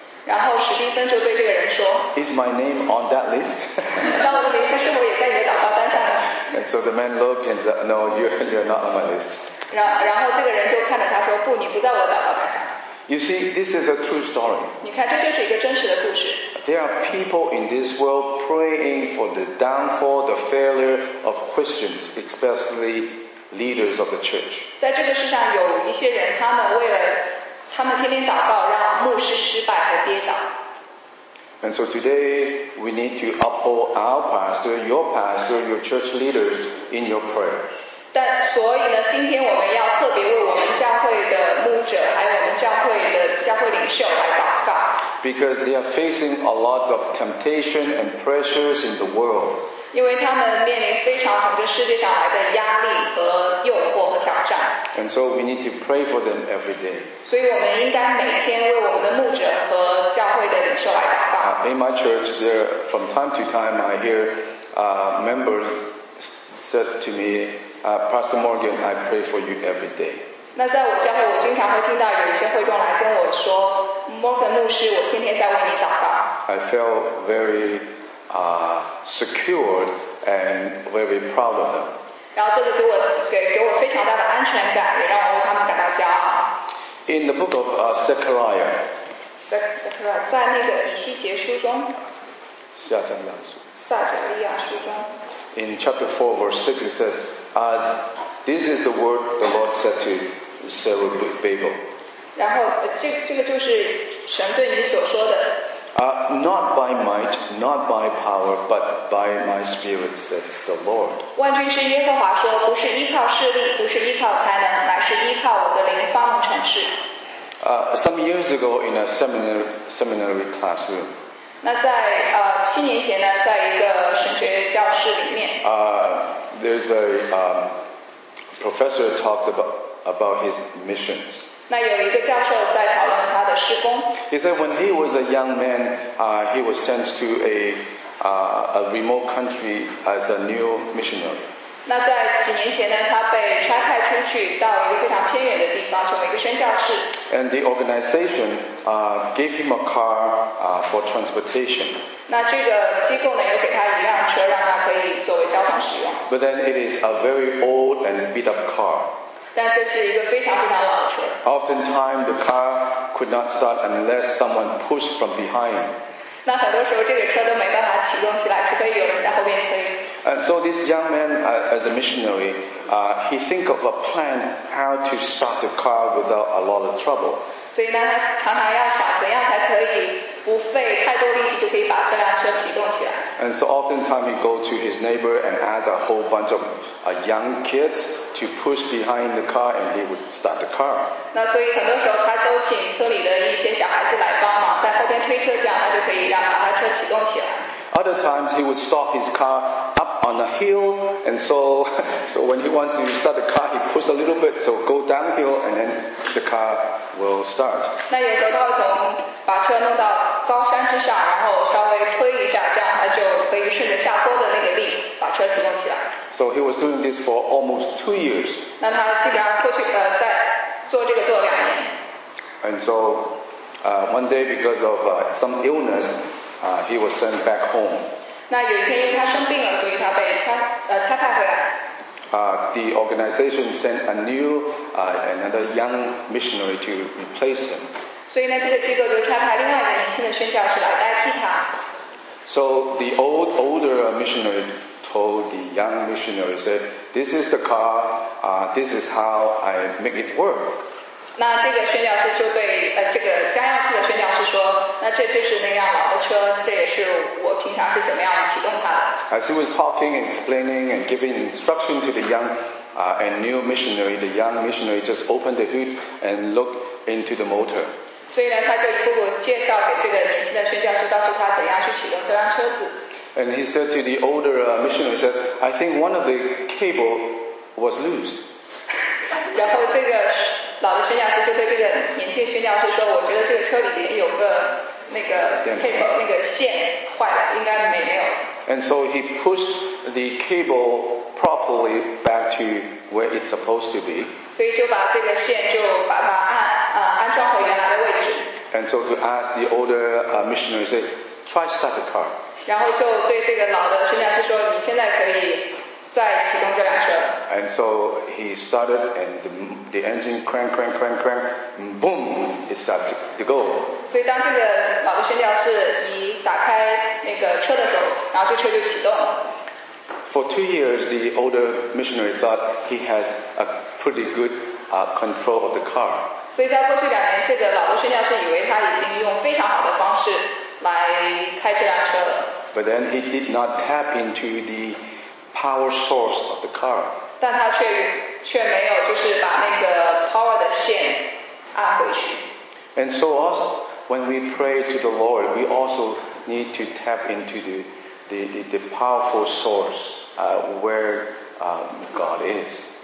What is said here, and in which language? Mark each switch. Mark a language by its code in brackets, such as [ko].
[zh] 然后史蒂芬就对这个人说。 [en] Is my name on that list? [zh] 那我的名字是否也在你的祷告单上呢？ [en] And so the man looked and said, No, you're not on my list. [zh] 然后这个人就看着他说，不，你不在我的祷告单上。 [en] You see, this is a true story. [zh] 你看，这就是一个真实的故事。 [en] There are people in this world praying for the downfall, the failure of Christians, especially leaders of the church. [zh] 在这个世上，有一些人，他们为了他们天天祷告，让牧师失败和跌倒。 [en] And so today, we need to uphold our pastor, your pastor, your church leaders in your prayer. [zh] 但所以呢，今天我们要特别为我们教会的牧者，还有我们教会领袖来祷告。 [en] Because they are facing a lot of temptation and pressures in the world. [zh] 因为他们面临非常从这世界上来的压力和诱惑和挑战。 [en] And so we need to pray for them every day. [zh] 所以我们应该每天为我们的牧者和教会的领袖来祷告。 [en] In my church, there from time to time I hear members said to me. Pastor Morgan, I pray for you every day. [zh] 那在我教会，我经常会听到有一些会众来跟我说 ，Morgan 牧师，我天天在为你祷告。 [en] I felt very secured and very proud of them. [zh] 然后这个给我非常大的安全感，也让我为他们感到骄傲。 [en] In the book of Zechariah. [zh] Zechariah 在那个以西结书中。撒加利亚书中。 [en] In chapter 4, verse 6, it says, this is the word the Lord said to Zerubbabel. [zh] 然后这个就是神对你所说的。 [en] Not by might, not by power, but by my spirit, says the Lord. [zh] 万军之耶和华说，不是依靠势力，不是依靠才能，乃是依靠我的灵方能成事。 [en] Some years ago in a seminary classroom. [zh] 那在七年前呢，在一个神学教室里面。 [en] There's a professor talks about his missions. [zh] 那有一个教授在讨论他的事工。 [en] He said when he was a young man, he was sent to a remote country as a new missionary. [zh] 那在几年前呢，他被差派出去到一个非常偏远的地方，成为一个宣教士。 [en] And the organization gave him a car for transportation. [zh] 那这个机构呢，又给他一辆车，让他可以作为交通使用。 [en] But then it is a very old and beat up car. [zh] 但这是一个非常非常老的车。 [en] Oftentimes the car could not start unless someone pushed from behind. [zh] 那很多时候这个车都没办法启动起来，除非有人在后面推。 [en] And so this young man, as a missionary, he think of a plan how to start the car without a lot of trouble. [zh] 所以呢，他常常要想怎样才可以不费太多力气就可以把这辆车启动起来。 [en] And so oftentimes he go to his neighbor and ask a whole bunch of young kids to push behind the car and they would start the car. [zh] 那所以很多时候他都请车里的一些小孩子来帮忙，在后边推车，这样他就可以让把他车启动起来。 [en] Other times he would stop his car up on a hill, and so when he wants to start the car, he pushes a little bit, so go downhill, and then the car will start. [zh] 那有时候他会从把车弄到高山之上，然后稍微推一下，这样他就可以顺着下坡的那个力把车启动起来。 [en] So he was doing this for almost 2 years. [zh] 那他基本上过去在做这个做两年。 [en] And so one day because of some illness. He was sent back home. [zh] 那有一天因为他生病了，所以他被差派回来。 [en] The organization sent a new, another young missionary to replace him. [zh] 所以呢，这个机构就差派另外一个年轻的宣教士来代替他。 [en] So the older missionary told the young missionary, said, "This is the car. This is how I make it work." [zh] 那这个宣教士就对这个加药库的宣教士说，那这就是那辆老的车，这也是我平常是怎么样启动它的。 [en] As he was talking, explaining, and giving instruction to the young and new missionary, the young missionary just opened the hood and looked into the motor. [zh] 所以呢，他就一步步介绍给这个年轻的宣教士，告诉他怎样去启动这辆车子。 [en] And he said to the older missionary, said, "I think one of the cable was loose." [zh] 然后这个。老的宣教士就对这个年轻宣教士说，我觉得这个车里面有个那个 cable 那个线坏了，应该没有。 [en] And so he pushed the cable properly back to where it's supposed to be. [zh] 所以就把这个线就把它安装回原来的位置。 [en] And so to ask the older missionary, say, try start the car. [zh] 然后就对这个老的宣教士说，你现在可以再启动这辆车。 [en] And so he started and the engine crank, boom, it started to go. [zh] 所以当这个老的宣教士一打开那个车的时候，然后这车就启动了。 [en] For 2 years, the older missionary thought he has a pretty good control of the car. [zh] 所以在过去两年，这个老的宣教士以为他已经用非常好的方式来开这辆车了。 [en] But then he did not tap into the power source of the car. [zh] 但他却没有就是把那个 power 的线按回去。 [en] And so also when we pray to the Lord, we also need to tap into the powerful source where God is.